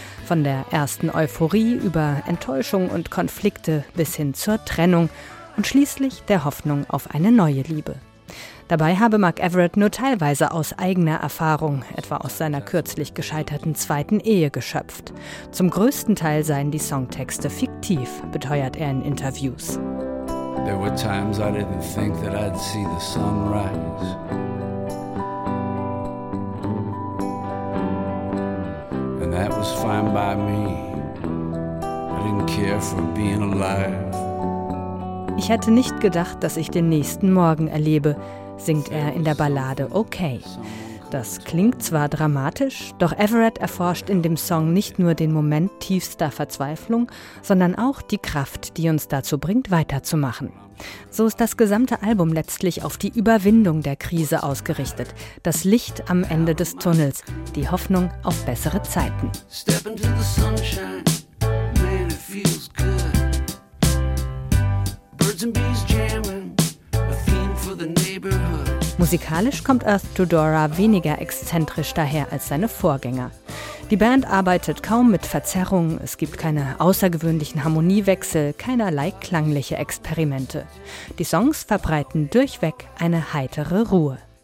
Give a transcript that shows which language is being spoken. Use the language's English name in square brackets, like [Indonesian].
[German] Von der ersten Euphorie über Enttäuschung und Konflikte bis hin zur Trennung und schließlich der Hoffnung auf eine neue Liebe. Dabei habe Mark Everett nur teilweise aus eigener Erfahrung, etwa aus seiner kürzlich gescheiterten zweiten Ehe, geschöpft. Zum größten Teil seien die Songtexte fiktiv, beteuert er in Interviews. [English] There were times I didn't think that I'd see the sun rise. That was fine by me. I didn't care for being alive. [German] Ich hätte nicht gedacht, dass ich den nächsten Morgen erlebe, singt er in der Ballade Okay. Das klingt zwar dramatisch, doch Everett erforscht in dem Song nicht nur den Moment tiefster Verzweiflung, sondern auch die Kraft, die uns dazu bringt, weiterzumachen. So ist das gesamte Album letztlich auf die Überwindung der Krise ausgerichtet. Das Licht am Ende des Tunnels, die Hoffnung auf bessere Zeiten. [English] Step into the sunshine, man, it feels good. Birds and bees jamming, a theme for the neighborhood. [German] Musikalisch kommt Earth to Dora weniger exzentrisch daher als seine Vorgänger. Die Band arbeitet kaum mit Verzerrung, es gibt keine außergewöhnlichen Harmoniewechsel, keinerlei klangliche Experimente. Die Songs verbreiten durchweg eine heitere Ruhe.